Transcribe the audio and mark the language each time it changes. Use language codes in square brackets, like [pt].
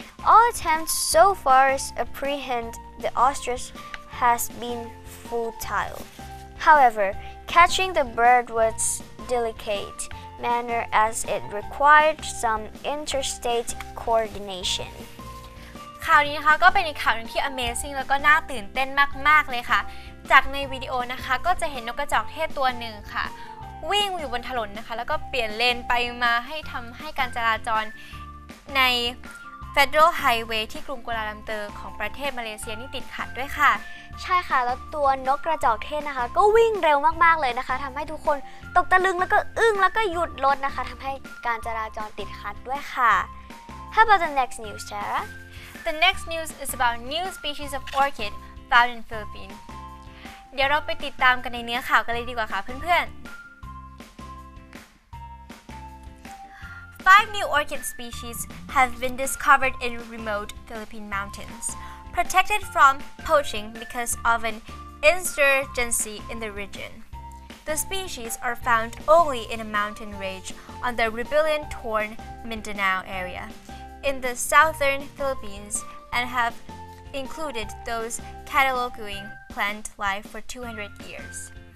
[en] All attempts so far to apprehend the ostrich has been futile. However, catching the bird was delicate manner as it required some interstate coordination. [th] ข่าวนี้นะคะก็เป็นอีกข่าวนึงที่ amazing แล้วก็น่าตื่นเต้นมากๆเลยค่ะจากในวิดีโอนะคะก็จะเห็นนกกระจอกเทศตัวนึงค่ะวิ่งอยู่บนถนนนะคะแล้วก็เปลี่ยนเลนไปมาให้ทำให้การจราจรใน Federal Highway ที่กรุงกัวลาลัมเปอร์ของประเทศมาเลเซียนี่ติดขัดด้วยค่ะ ใช่ค่ะแล้วตัวนกกระจอกเทศนะคะก็วิ่งเร็วมากๆเลยนะคะทำให้ทุกคนตกตะลึงแล้วก็อึ้งแล้วก็หยุดรถนะคะทำให้การจราจรติดขัดด้วยค่ะ [en] How about the next news, Tara? The next news is about new species of orchid found in Philippines. [th] เดี๋ยวเราไปติดตามกันในเนื้อข่าวกันเลยดีกว่าค่ะเพื่อนๆ [en] Five new orchid species have been discovered in remote Philippine mountains. Protected from poaching because of an insurgency in the region. The species are found only in a mountain range on the rebellion-torn Mindanao area in the southern Philippines and have included those cataloguing plant life for 200 years.